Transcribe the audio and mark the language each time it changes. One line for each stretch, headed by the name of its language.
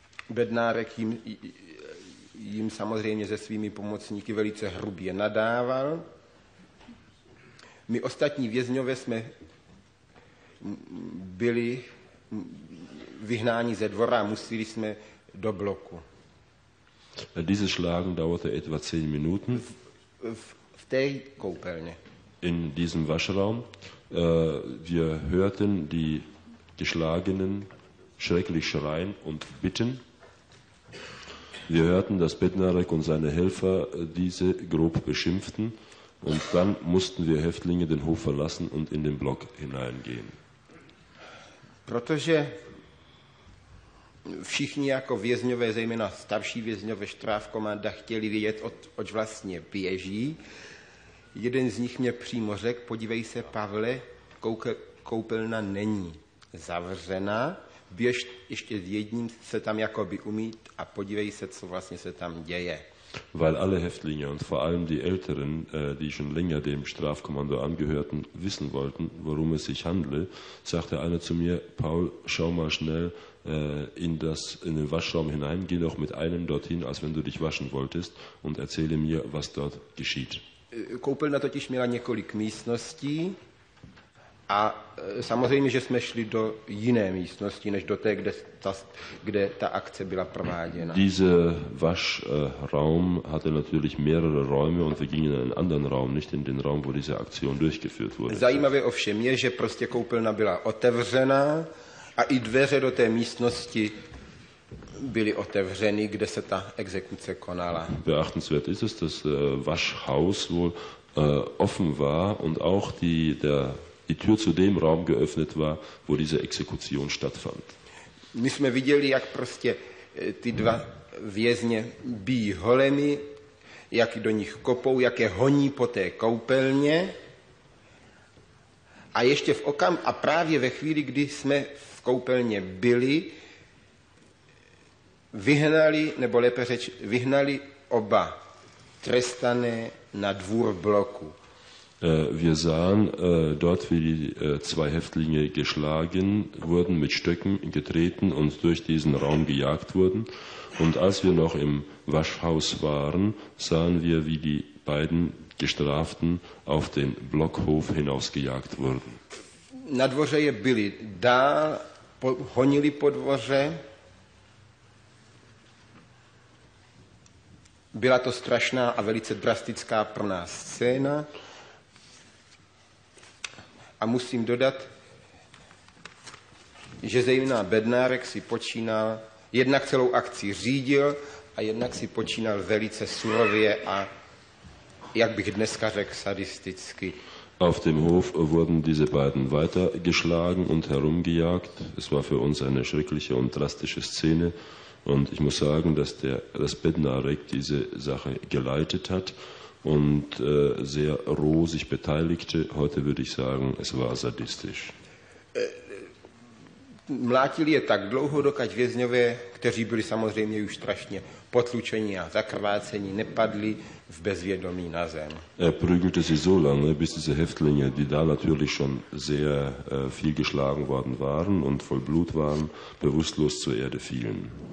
Czech: Bednárek jim samozřejmě se svými pomocníky velice hrubě nadával. My ostatní vězňové jsme byli vyhnáni ze dvora, museli jsme do bloku.
German: Dieses Schlagen dauerte etwa 10 Minuten.
Czech: V té koupelně.
German: In diesem Waschraum. Wir hörten die Geschlagenen schrecklich schreien und bitten. Wir hörten, dass Bednárek und seine Helfer diese grob beschimpften. Und dann mussten wir Häftlinge den Hof verlassen und in den Block hineingehen.
Czech: Protože všichni jako vězňové, zejména starší vězňové strafkomanda, chtěli vědět, oč vlastně běží. Jeden z nich mě přímo řekl, podívej se, Pavle, koupelna není zavřena, běž ještě s jedním se tam jakoby umýt a podívej se, co vlastně se tam děje.
German: Weil alle Häftlinge und vor allem die Älteren, die schon länger dem Strafkommando angehörten, wissen wollten, worum es sich handle, sagte einer zu mir, Paul, schau mal schnell in den Waschraum hinein, geh noch mit einem dorthin, als wenn du dich waschen wolltest, und erzähle mir, was dort geschieht.
Czech: Koupelna totiž měla několik místností. A samozřejmě, že jsme šli do jiné místnosti, než do té, kde ta akce byla prováděna.
German: Diese Waschraum hatte natürlich mehrere Räume und wir gingen in einen anderen Raum, nicht in den Raum, wo diese Aktion durchgeführt wurde.
Czech: Zajímavé ovšem je, že prostě koupelna byla otevřená a i dveře do té místnosti byly otevřeny, kde se ta exekuce konala.
German: Beachtenswert ist es, dass Waschhaus wohl offen war und auch die Tür zu dem Raum geöffnet war, wo diese Exekution stattfand.
Czech: My jsme viděli, jak prostě ty dva vězně bijí holemi, jak do nich kopou, jak je honí po té koupelně. A ještě v okam a právě ve chvíli, kdy jsme v koupelně byli, vyhnali, nebo lépe řeč, vyhnali oba trestané na dvůr bloku.
German: Wir sahen dort, wie die zwei Häftlinge geschlagen wurden, mit Stöcken getreten und durch diesen Raum gejagt wurden. Und als wir noch im Waschhaus waren, sahen wir, wie die beiden Gestraften auf den Blockhof hinausgejagt wurden.
Czech: Na dvoře je byli dál, honili po dvoře. Byla to strašná a velice drastická pro nás scéna. A musím dodat, že zejména Bednárek si počínal, jednak celou akci řídil a jednak si počínal velice surově a, jak bych dneska řekl, sadisticky.
German: Auf dem Hof wurden diese beiden weitergeschlagen und herumgejagt. Es war für uns eine schreckliche und drastische Szene. Und ich muss sagen, dass dass Bednárek diese Sache geleitet hat. Und sehr roh sich beteiligte. Heute würde ich sagen, es war sadistisch.
Czech: Mlátili je tak dlouho, dokud vězňové, kteří byli samozřejmě už strašně potlučení a zakrvácení, nepadli v bezvědomí na zem.
German: Er prügelte sie so lange, bis diese Häftlinge, die da natürlich schon sehr viel geschlagen worden waren und voll Blut waren, bewusstlos zur Erde fielen.